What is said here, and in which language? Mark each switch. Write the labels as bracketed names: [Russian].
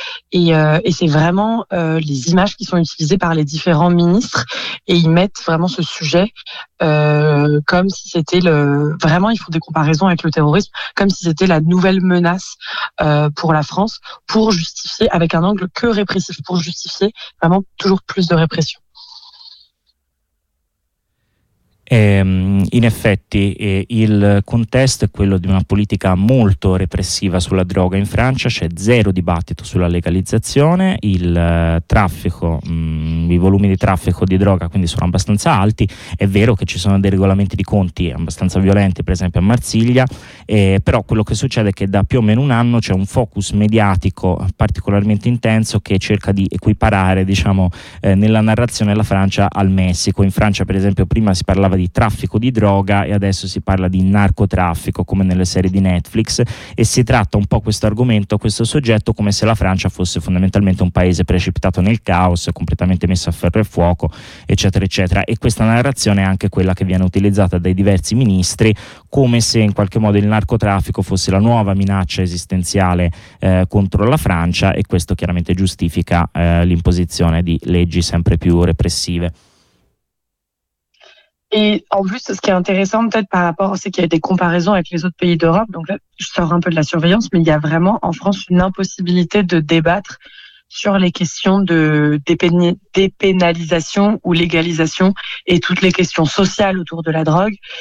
[French] Et c'est vraiment les images qui sont utilisées par les différents ministres, et ils mettent vraiment ce sujet comme si c'était le, vraiment ils font des comparaisons avec le terrorisme, comme si c'était la nouvelle menace pour la France, pour justifier, avec un angle que répressif, pour justifier vraiment toujours plus de répression. [Italian] In effetti il contesto è quello di una politica molto repressiva sulla droga in Francia, c'è zero dibattito sulla legalizzazione, il traffico, i volumi di traffico di droga quindi sono abbastanza alti, è vero che ci sono dei regolamenti di conti abbastanza violenti, per esempio a Marsiglia, però quello che succede è che da più o meno un anno c'è un focus mediatico particolarmente intenso che cerca di equiparare, diciamo, nella narrazione la Francia al Messico. In Francia, per esempio, prima si parlava di traffico di droga e adesso si parla di narcotraffico come nelle serie di Netflix, e si tratta un po' questo argomento, questo soggetto, come se la Francia fosse fondamentalmente un paese precipitato nel caos, completamente messo a ferro e fuoco, eccetera eccetera, e questa narrazione è anche quella che viene utilizzata dai diversi ministri, come se in qualche modo il narcotraffico fosse la nuova minaccia esistenziale contro la Francia, e questo chiaramente giustifica l'imposizione di leggi sempre più repressive. [French] Et en plus, ce qui est intéressant peut-être par rapport, c'est qu'il y a des comparaisons avec les autres pays d'Europe. Donc là, je sors un peu de la surveillance, mais il y a vraiment en France une impossibilité de débattre sur les questions de dépénalisation ou légalisation et toutes les questions sociales autour de la drogue.